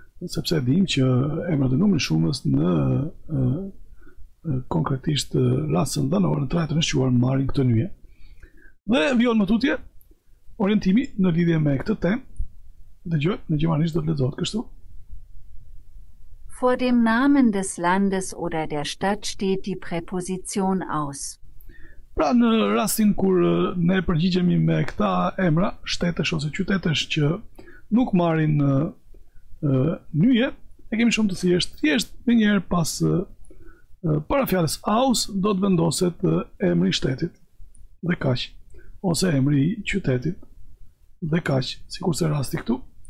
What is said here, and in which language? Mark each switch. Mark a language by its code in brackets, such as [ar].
[sq] Sepse dim që emrat e numrit shumës në konkretisht rastin dhanor në trajtën e shquar marrin këtë nyje. Dhe vjen më tutje orientimi në lidhje me këtë temë. Dëgjoj, në gjermanisht do të lexohet kështu. [de] Vor dem Namen des Landes oder der Stadt steht die Präposition aus. [sq] Pra në rastin kur ne përgjigjemi me këta emra, shtetesh ose qytetesh që nuk marrin nyje, e kemi shumë të thjeshtë. Thjesht më njëherë pas para fjalës aus do të vendoset emri i shtetit dhe kaq, ose emri i qytetit dhe kaq, sikur se rasti këtu.